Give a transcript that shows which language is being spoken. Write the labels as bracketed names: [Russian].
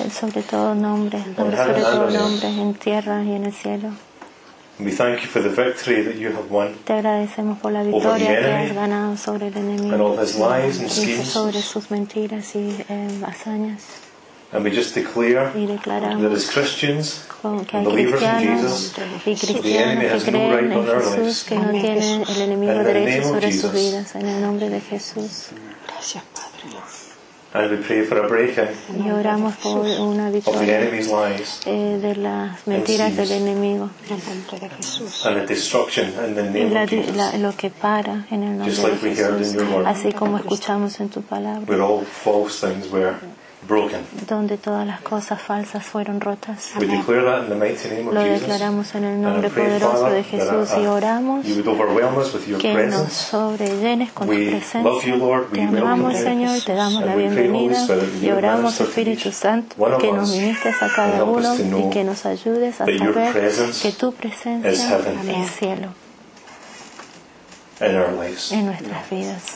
[Spanish] el sobre todo nombre, nombre sobre todo nombre, en tierra y en el cielo. [English] We thank you for the victory that you have won. [Spanish] Te agradecemos por la victoria [English] over the enemy [Spanish] que has ganado sobre el enemigo, [English] and all his lies and schemes, [Spanish] sobre sus mentiras y hazañas. [English] And we just declare that as Christians, believers in Jesus, the enemy has no right on our lives. In the name of Jesus. And we pray for a breaking of the enemy's lies and a destruction in the name of Jesus. Just like we heard in your word. [Spanish] Así como escuchamos en tu palabra. [English] Where all false things were broken. [Spanish] Donde todas las cosas falsas fueron rotas. [English] We declare that in the mighty name of [Spanish] Lo declaramos en el nombre poderoso de Jesús y oramos que nos sobrellenes con tu presencia. [English] Love you, Lord. [Spanish] Te amamos, Señor, te damos la bienvenida y oramos, Espíritu Santo, que nos ministres a cada uno y que nos ayudes a saber que tu presencia es el cielo en nuestras vidas.